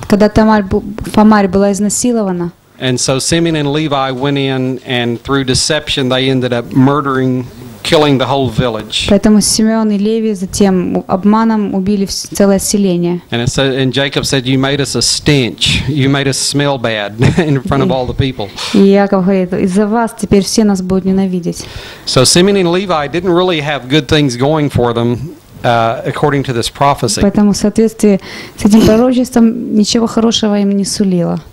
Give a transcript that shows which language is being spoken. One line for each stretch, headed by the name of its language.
Russian: Когда Тамар была изнасилована.
English: And so Simeon and Levi went in, and through deception, they ended up murdering, killing the whole village.
Russian: Поэтому Симеон и Леви затем обманом убили целое селение.
English: And Jacob said, "You made us a stench. You made us smell bad in front of all the people."
Russian: И Яков говорит, из-за вас теперь все нас будут ненавидеть.
English: So Simeon and Levi didn't really have good things going for them. According to this prophecy.
Russian: Поэтому в соответствии с этим пророчеством ничего хорошего им не сулило.